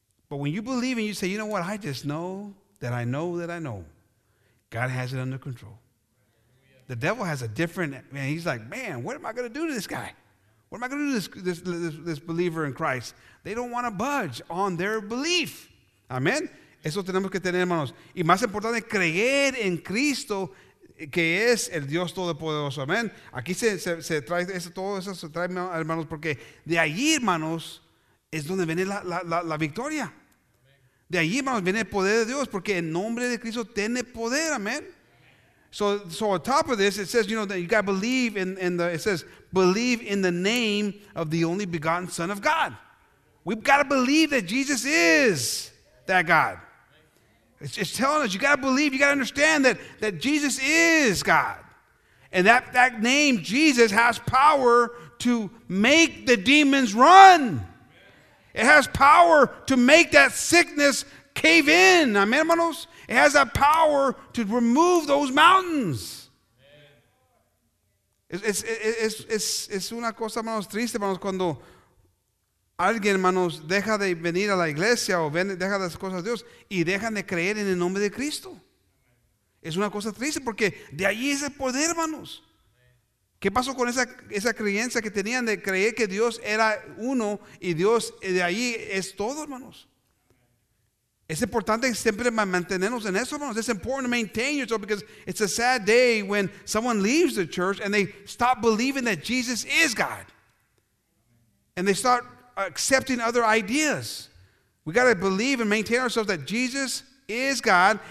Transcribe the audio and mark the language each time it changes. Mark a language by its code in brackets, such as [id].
[en] But when you believe and you say, you know what, I just know that I know that I know. God has it under control. The devil has a different, man, he's like, man, what am I going to do to this guy? What am I going to do to this believer in Christ? They don't want to budge on their belief. [es] Amen. Eso tenemos que tener, hermanos. Y más importante, creer en Cristo, que es el Dios Todopoderoso. Amen. Aquí se trae eso, todo eso se trae, hermanos, porque de allí, hermanos, es donde viene la victoria. De allí, hermanos, viene el poder de Dios, porque el nombre de Cristo tiene poder. Amen. [en] So on top of this, it says, you know, that you got to believe believe in the name of the only begotten Son of God. We've got to believe that Jesus is that God. It's telling us, you got to believe, you got to understand that Jesus is God. And that name, Jesus, has power to make the demons run. It has power to make that sickness cave in. Amen, [es] hermanos? [en] It has that power to remove those mountains. [es] Es una cosa, hermanos, triste, hermanos, cuando alguien, hermanos, deja de venir a la iglesia o deja las cosas de Dios y dejan de creer en el nombre de Cristo. Es una cosa triste porque de allí es el poder, hermanos. ¿Qué pasó con esa creencia que tenían de creer que Dios era uno y Dios de allí es todo, hermanos? Es importante siempre mantenernos en eso, hermanos. [en] It's important to maintain yourself because it's a sad day when someone leaves the church and they stop believing that Jesus is God. And they start accepting other ideas. We got to believe and maintain ourselves that Jesus is God.